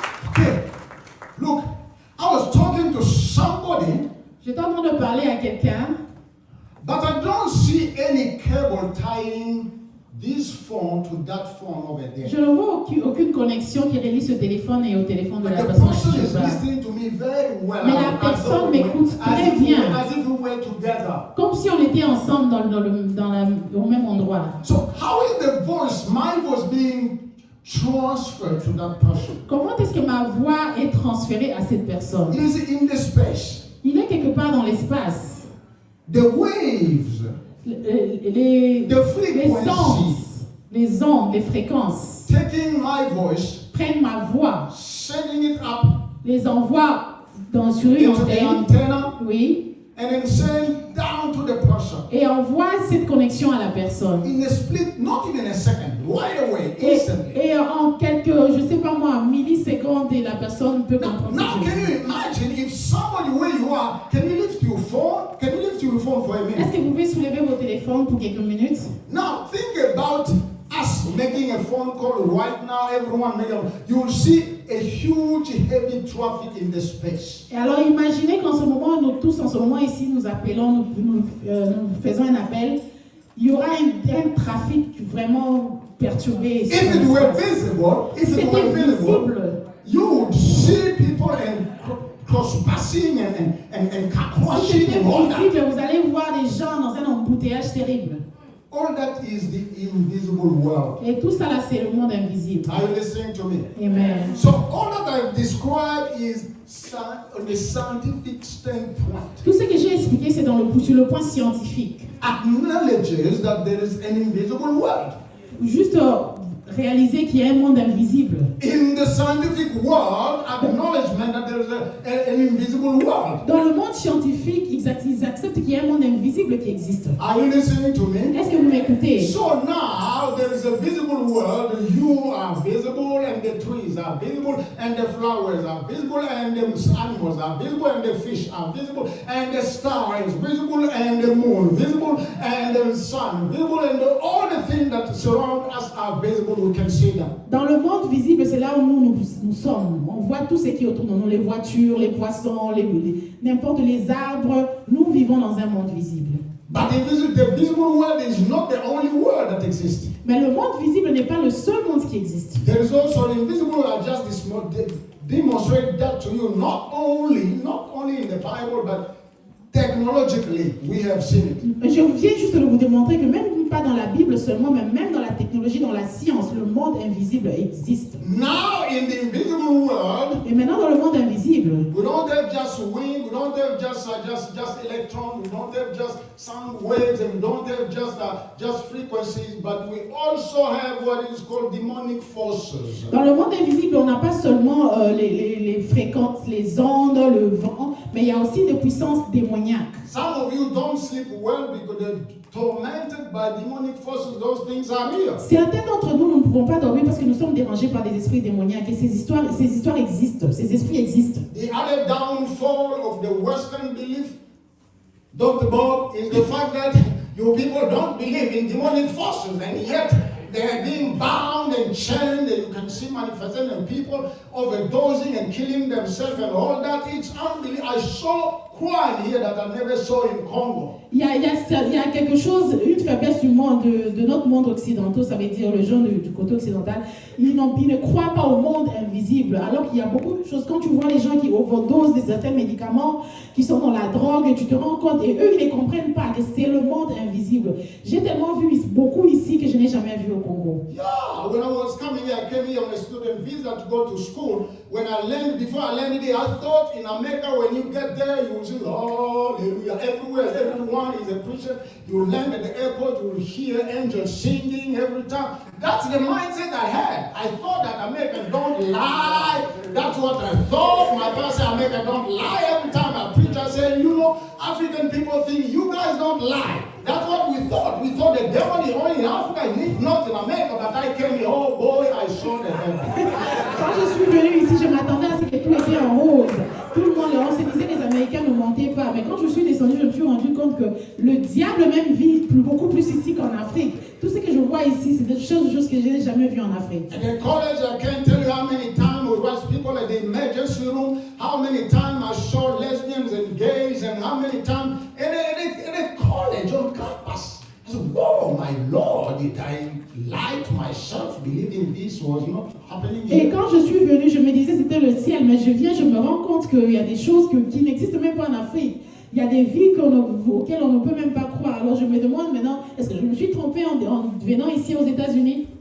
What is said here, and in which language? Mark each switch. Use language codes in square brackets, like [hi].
[en] Okay. Look, I was talking to somebody. [fr] J'étais en train de parler à quelqu'un. [en] But I don't see any cable tying this phone to that phone over there. [fr] Je ne vois aucune connexion qui relie ce téléphone et au téléphone de [en] but [fr] la personne. [en] The person is listening to me very well. [fr] Mais la personne m'écoute très bien. [en] As if we were together. [fr] Comme si on était ensemble au même endroit. [en] So how is the voice, my voice, being transferred to that person? [fr] Comment est-ce que ma voix est transférée à cette personne? [en] Is it in the space? [fr] Il est quelque part dans l'espace. [en] The waves. [fr] Les fréquences. [en] Taking my voice. [fr] Prennent ma voix. [en] Sending it up. [fr] Les envoient dans sur une antenne. Oui. [en] And then send down to the person. [fr] Et envoie cette connexion à la personne. [en] In a split, not even a second, right away, instantly. [fr] Et en quelques, je sais pas moi, millisecondes, et la personne peut comprendre. [en] Now, can you imagine if somebody where you are, can you lift your phone? Can you lift your phone for a minute? [fr] Est-ce que vous pouvez soulever vos téléphones pour quelques minutes? [en] Now, think about us making a phone call right now, everyone make a phone call. You'll see a huge, heavy traffic in the space. [fr] Et alors imaginez qu'en ce moment, nous tous en ce moment ici, nous appelons, nous faisons un appel, il y aura un trafic vraiment perturbé. [en] If it were visible, if it were visible, you would see people and crossing and crossing all that. [fr] Vous allez voir des gens dans un embouteillage terrible. [en] All that is the invisible world. [fr] Et tout ça là, c'est le monde invisible. [en] Are you listening to me? Amen. So all that I've described is the scientific standpoint. [fr] Tout ce que j'ai expliqué, c'est dans le point scientifique. [en] Acknowledges that there is an invisible world. [fr] Juste réaliser qu'il y a un monde invisible. [en] In the scientific world, acknowledgement that there is an invisible world. [fr] Dans le monde scientifique, ils acceptent qu'il y a un monde invisible qui existe. [en] Are you listening to me? [fr] Est-ce que vous m'écoutez? [en] So now there is a visible world. You are visible, and the trees are visible, and the flowers are visible, and the animals are visible, and the fish are visible, and the star is visible, and the moon visible, and the sun visible, and all the things that surround us are visible. [fr] Dans le monde visible, c'est là où nous sommes. On voit tout ce qui est autour de nous, les voitures, les poissons, les n'importe les arbres. Nous vivons dans un monde visible. [en] But the visible world is not the only world that exists. [fr] Mais le monde visible n'est pas le seul monde qui existe. [en] There is also an invisible world. Just this more demonstrate that to you. Not only in the Bible, but technologically, we have seen it. [fr] Je viens juste de vous démontrer que même pas dans la Bible seulement, mais même dans la technologie, dans la science, le monde invisible existe. [en] Now in the invisible world, [fr] et maintenant dans le monde invisible, [en] we don't have just wind, we don't have just electrons, we don't have just sound waves, and we don't have just frequencies, but we also have what is called demonic forces. [fr] Dans le monde invisible, on n'a pas seulement les fréquences, les ondes, le vent, mais il y a aussi des puissances démoniaques. [en] Some of you don't sleep well because tormented by demonic forces, those things are real. [fr] Certains d'entre nous ne pouvons pas dormir parce que nous sommes dérangés par des esprits démoniaques. Et ces histoires existent, ces esprits existent. [en] The other downfall of the Western belief, Dr. Bob, is the fact that you people don't believe in demonic forces, and yet they are being bound and chained, and you can see manifestations and people overdosing and killing themselves and all that. It's unbelievable. I saw Quand here that I never saw in Congo. [fr] Il y a quelque chose, une faiblesse du monde, de notre monde occidental, ça veut dire les gens du côté occidental, ils ne croient pas au monde invisible, alors qu'il y a beaucoup de choses. Quand tu vois les gens qui overdosent de certains médicaments, qui sont dans la drogue, et tu te rends compte, et eux, ils ne comprennent pas que c'est le monde invisible. J'ai tellement vu beaucoup ici que je n'ai jamais vu au Congo. [en] Yeah, when I was coming here, I came here on a student visa to go to school. When I landed, before I landed here, I thought in America, when you get there, you will see, hallelujah, everyone is a Christian. You land at the airport, you will hear angels singing every time. That's the mindset I had. I thought that America don't lie. That's what I thought. My pastor said, America don't lie. Every time I preach, I say, you know, African people think you guys don't lie. That's what we thought. We thought the devil is only in Africa, not in America. But I came here, oh boy, I saw the devil. [fr] Quand je suis venu ici, je m'attendais à ce que tout était en rose. Tout le monde, on se disait que les Américains ne mentaient pas. Mais quand je suis descendu, je me suis rendu compte que le diable même vit beaucoup plus ici qu'en Afrique. Tout ce que je vois ici, c'est des choses que je n'ai jamais vues en Afrique. [en] At the college, I can't tell you how many times we watch people at the emergency room, how many times I saw lesbians and gays, and how many times in a college on campus. I said, whoa, my Lord, did I lie to myself believing this was not happening here? [fr] Et quand je suis venu, je me disais c'était le ciel, mais je viens, je me rends compte qu'il y a des choses qui n'existent même pas en Afrique. Il y a des vies auxquelles on ne peut même pas croire. Alors je me demande maintenant, est-ce que je me suis trompé en venant ici aux États-Unis?